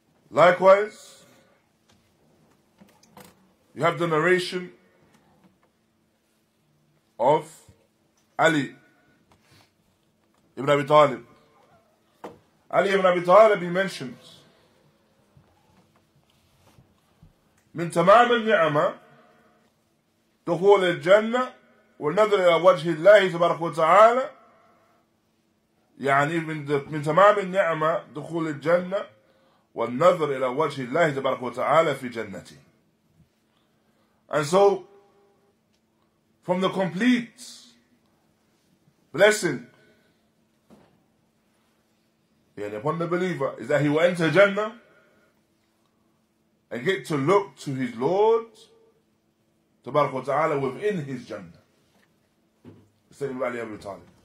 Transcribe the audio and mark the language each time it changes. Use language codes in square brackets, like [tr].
[en] Likewise, you have the narration of Ali ibn Abi Talib. [ar] Ali ibn Abi Talib, [en] he mentions, [ar] من تمام النعمة دخول الجنة والنظر إلى وجه الله تبارك وتعالى. يعني من تمام النعمة دخول الجنة والنظر إلى وجه الله تبارك وتعالى في جنتي. [en] And so, from the complete blessing, yani upon the believer, is that he will enter Jannah and get to look to his Lord تبارك وتعالى within his Jannah. Sayyidina Ali Abu Talib.